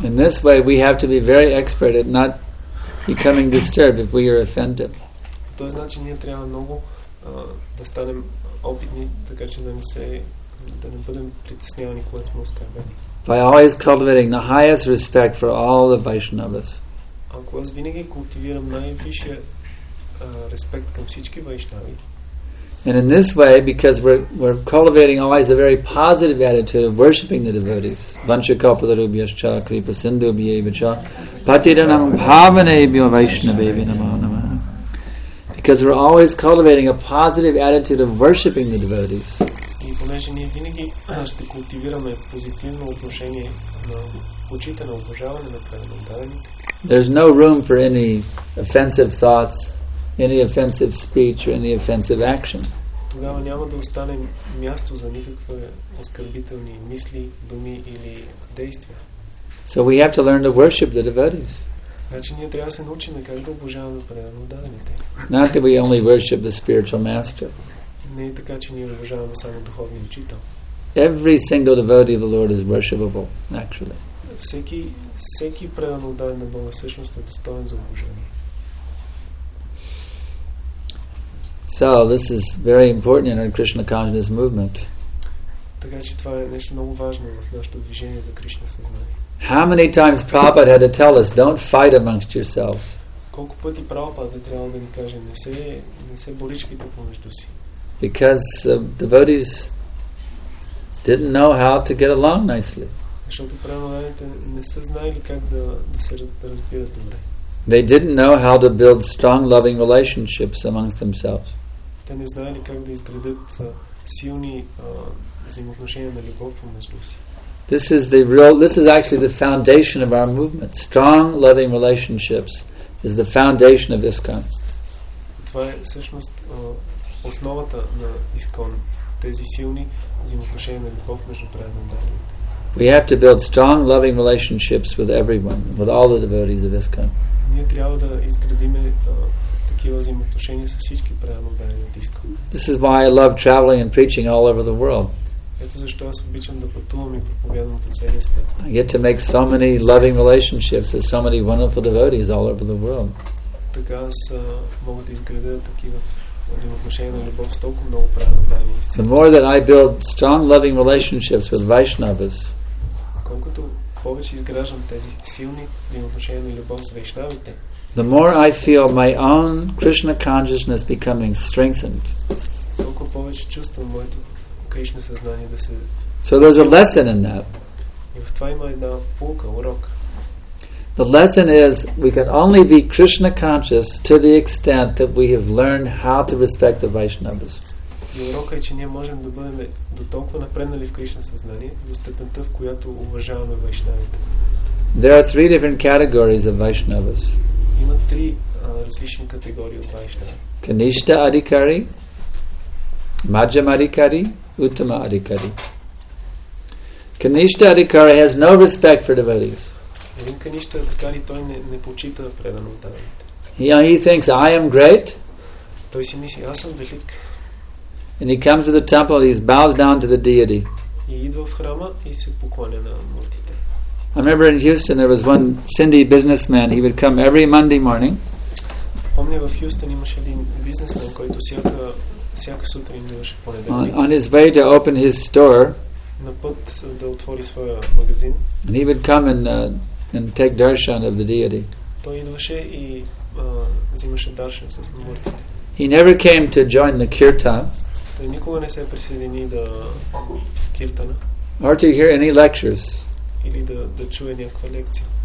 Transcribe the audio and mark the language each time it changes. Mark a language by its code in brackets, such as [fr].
[en] In this way we have to be very expert at not becoming disturbed if we are offended. [bg] По този начин ние трябва много да станем опитни, така че да не се да не бъдем притеснявани, когато сме оскърбени. [en] By always cultivating the highest respect for all the Vaishnavas. [bg] Ако аз винаги култивирам най-висшия респект към всички вайшнави. [en] And in this way, because we're cultivating always a very positive attitude of worshipping the devotees. [sa] Vancha kapada rubhyascha kripa sindhu bhyevacha patiranam bhavanebhyo vaishnavebhyo namo namah. [en] Because we're always cultivating a positive attitude of worshipping the devotees. [bg] И понеже ние винаги ще култивираме позитивно отношение на почитане, уважаване на преданите. [en] There's no room for any offensive thoughts, any offensive speech, or any offensive action. [bg] Тогава няма да остане място за никакви оскърбителни мисли, думи или действия. [en] So we have to learn to worship the devotees. [bg] Значи ние трябва да се научим как да обожаваме преданите. [en] Not that we only worship the spiritual master. [bg] Не е така, че ние обожаваме само духовния учител. [en] Every single devotee of the Lord is worshipable, actually. [bg] Всеки предан отдаден на Бога всъщност е достоен за обожение. [en] So, this is very important in our Krishna consciousness movement. [bg] Така че това е нещо много важно в нашето движение за Кришна съзнание. [en] How many times Prabhupada had to tell us, don't fight amongst yourselves? [bg] Колко пъти Прабхупада трябва да ни каже, не се боричките помежду си. [en] Because devotees didn't know how to get along nicely. [bg] Защото преданите не са знаели как да се разбират добре. [en] They didn't know how to build strong loving relationships amongst themselves. [bg] Те не знаели как да изградят силни взаимоотношения на любов помежду си. [en] This is actually the foundation of our movement. Strong loving relationships is the foundation of ISKCON. [bg] Това е всъщност основата на ИСКОН, тези силни взаимоотношения на любов между преданите. [en] We have to build strong loving relationships with everyone, with all the devotees of ISKCON. [bg] Ние трябва да изградим такива взаимоотношения с всички преданите от ИСКОН. [en] This is why I love traveling and preaching all over the world. [bg] Ето защо аз обичам да пътувам и проповядвам по целия свят. [en] I get to make so many loving relationships with so many wonderful devotees all over the world. [bg] Така аз мога да изградя такива взаимоотношения на любов с толкова много преданите. [en] The more that I build strong loving relationships with Vaishnavas, [bg] колкото повече изграждам тези силни взаимоотношения на любов с вайшнавите, [en] the more I feel my own Krishna consciousness becoming strengthened. [bg] Толкова повече чувствам моето Кришна съзнание да се. [en] So there's a lesson in that. [bg] И в това има една полка, урок. [en] The lesson is we can only be Krishna conscious to the extent that we have learned how to respect the Vaishnavas. [bg] Урока е, че ние можем да бъдем до толкова напреднали в Кришна съзнание, до степента, в която уважаваме вайшнавите. [en] There are three different categories of Vaishnavas. [bg] Има три различни категории от вайшнава. [en] Kanishta Adhikari, Madhyam Adhikari, Uttama Adhikari. Kanishta Adhikari has no respect for devotees. [bg] Един Kanishta Adhikari, той не почита предано отдаваните. [en] He thinks, I am great. [bg] Той си мисли, аз съм велик. [en] And he comes to the temple, he bows down to the deity. [bg] И идва в храма и се поклоня на муртите. [en] I remember in Houston there was one Sindhi businessman, he would come every Monday morning. [bg] Помня в Хюстън имаше един бизнесмен, който всяка сутрин идваше в понеделник. [en] On his way to open his store, [bg] на път да отвори своя магазин. [en] And he would come and take darshan of the deity. [bg] Той идваше и взимаше даршан с муртите. [en] He never came to join the kirtan. [bg] Той никога не се присъедини да киртана. [en] Or to hear any lectures. [bg] Или да чуе някаква лекция.